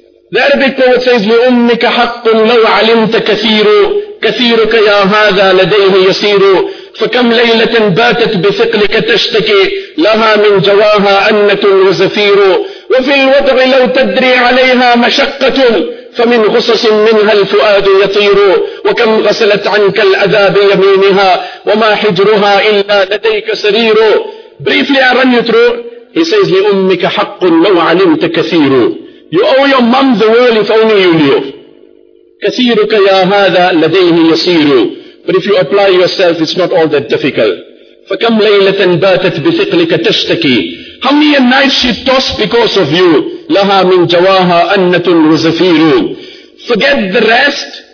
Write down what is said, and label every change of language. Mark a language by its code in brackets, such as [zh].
[en] The Arabic poet says, [ar] لِأُمِّكَ حَقٌ لَوْ عَلِمْتَ كَثِيرُ كَثِيرُكَ يَا هَذَا لَدَيْهِ يَسِيرُ فَكَمْ لَيْلَةً بَاتَتْ بِثِقْلِكَ تَشْتَكِ لَهَا مِنْ جَوَاهَا أَنَّةٌ وَزَفِيرُ وَفِي الْوَضْعِ لَوْ تَدْرِي عَلَيْهَا مَشَقَّةٌ فَمِنْ غُصَصٍ مِنْهَا الْفُؤَادُ يَطِيرُ وَكَمْ غَسَلَتْ عَنْكَ الْأَذَى بِيَمِينِهَا وَمَا حِجْرُهَا إِلَّا لَدَيْكَ سَرِيرُ. [en] Briefly I run you through. He says, [ar] لِأُمِّكَ حَقٌ لَوْ عَلِمْتَ كَثِيرُ. [en] You owe your mom the world if only you knew. [ar] كَثِيرُكَ يَا هَذَا لَدَيْهِ يَصِيرُ. [en] But if you apply yourself, it's not all that difficult. [ar] فَكَمْ لَيْلَةً بَاتَتْ بِثِقْلِكَ تَشْتَكِي. [en] How many nights she tossed because of you. [ar] لَهَا مِنْ جَوَاهَا أَنَّةٌ وَزَفِيرُ. [en] Forget the rest.